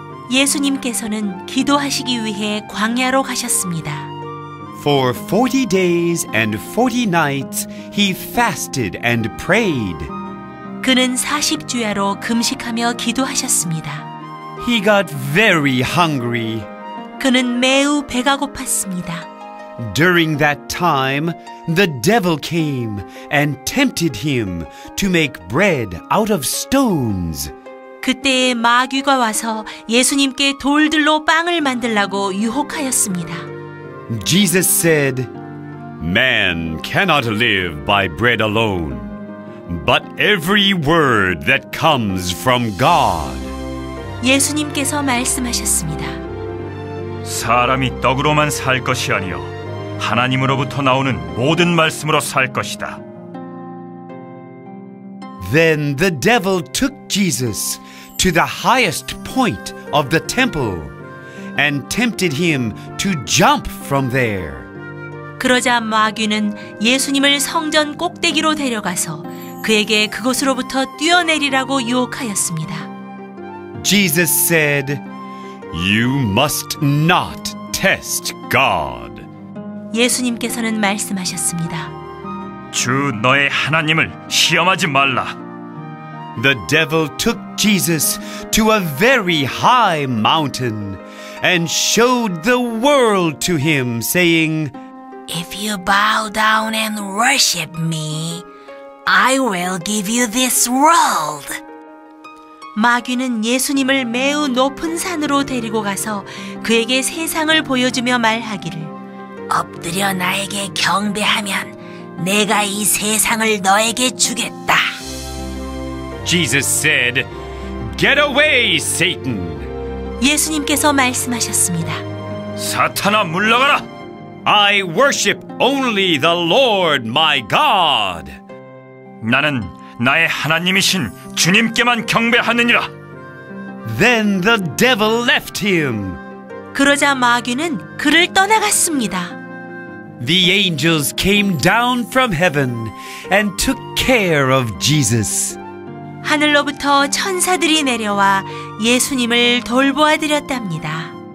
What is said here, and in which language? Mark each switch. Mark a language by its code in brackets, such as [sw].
[ko] 예수님께서는 기도하시기 위해 광야로 가셨습니다. [en] For 40 days and 40 nights he fasted and prayed. [ko] 그는 40주야로 금식하며 기도하셨습니다. [en] He got very hungry. [ko] 그는 매우 배가 고팠습니다. [en] During that time, the devil came and tempted him to make bread out of stones. [ko] 그때 마귀가 와서 예수님께 돌들로 빵을 만들라고 유혹하였습니다. [en] Jesus said, Man cannot live by bread alone, but every word that comes from God. [ko] 예수님께서 말씀하셨습니다. 사람이 떡으로만 살 것이 아니요 하나님으로부터 나오는 모든 말씀으로 살 것이다. [en] Then the devil took Jesus to the highest point of the temple and tempted him to jump from there. [ko] 그러자 마귀는 예수님을 성전 꼭대기로 데려가서 그에게 그곳으로부터 뛰어내리라고 유혹하였습니다. [en] Jesus said, You must not test God. [ko] 예수님께서는 말씀하셨습니다. 주 너의 하나님을 시험하지 말라. [en] The devil took Jesus to a very high mountain and showed the world to him, saying, If you bow down and worship me, I will give you this world. [ko] 마귀는 예수님을 매우 높은 산으로 데리고 가서 그에게 세상을 보여주며 말하기를 엎드려 나에게 경배하면 내가 이 세상을 너에게 주겠다. [en] Jesus said, Get away, Satan! [ko] 예수님께서 말씀하셨습니다. 사탄아, 물러가라! [en] I worship only the Lord my God. [ko] 나는 나의 하나님이신 주님께만 경배하느니라. [en] Then the devil left him. [ko] 그러자 마귀는 그를 떠나갔습니다. [en] The angels came down from heaven and took care of Jesus. [ko] 하늘로부터 천사들이 내려와 예수님을 돌보아드렸답니다.